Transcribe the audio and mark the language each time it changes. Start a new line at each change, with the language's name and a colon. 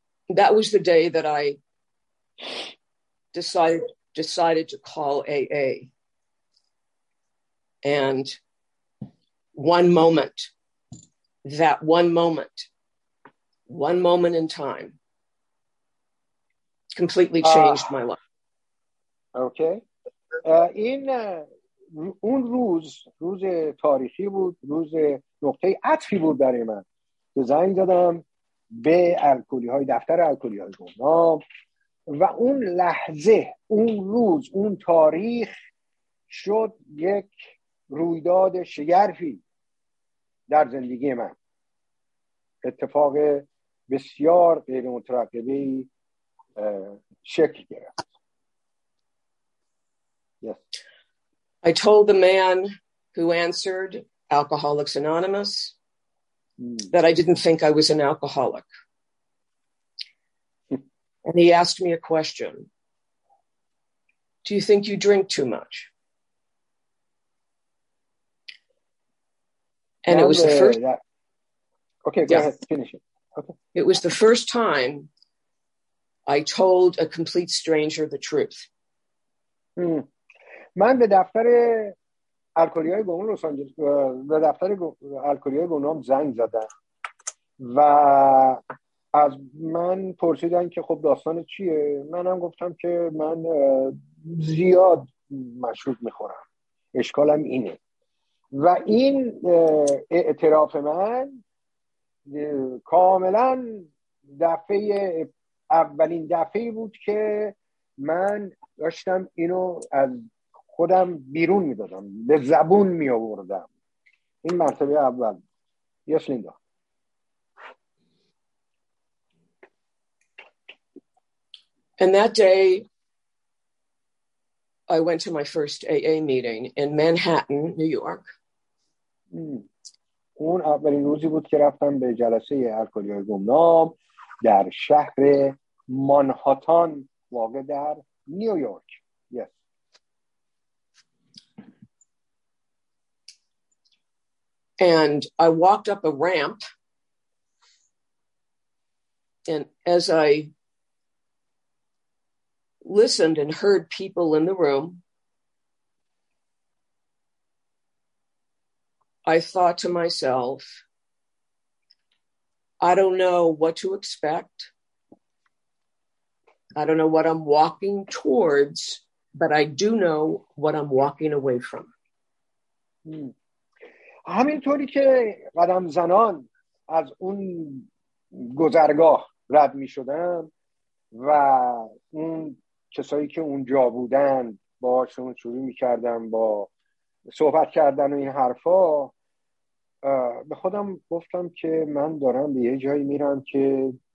English: That was the day that I decided to call AA. And one moment in time completely changed my life. Okay.
Persian: این اون روز تاریخی بود، روز نقطه عطفی بود برای من. زنگ زدم به الکلی های دفتر الکلی های گمنام و اون لحظه، اون روز، اون تاریخ شد یک رویداد شگرفی در زندگی من. اتفاق بسیار غیر مترقبه شکل گرفت.
English: Yes. I told the man who answered Alcoholics Anonymous that I didn't think I was an alcoholic. And he asked me a question. Do you think you drink too much? And it was the first. Okay, go ahead, finish it. Okay. It was the first time I told a complete stranger the truth.
Persian: من به دفتر الکلی‌های گمنام لس آنجلس، به دفتر الکلی‌های گمنام زنگ زدم و از من پرسیدن که خب داستان چیه؟ منم گفتم که من زیاد مشروب میخورم، اشکالم اینه. و این اعتراف من کاملا دفعه اولین دفعه بود که من داشتم اینو از خودم بیرون میدادم، به زبون می آوردم. این مرتبه اول. یس لیندا.
English: And that day, I went to my first AA meeting in Manhattan, New York.
Persian: اون اولین روزی بود که رفتم به جلسه الکلی‌های گمنام در شهر مانهاتان واقع در نیویورک.
English: Yes. And I walked up a ramp, and as I listened and heard people in the room, I thought to myself, I don't know what to expect. I don't know what I'm walking towards, but I do know what I'm walking away from.
Persian: همینطوری که قدم زنان از اون گذرگاه رد می شدم و اون کسایی که اونجا بودن باهاشون شروع می کردم با صحبت کردن و این حرفا، به خودم گفتم که من دارم به یه جایی میرم که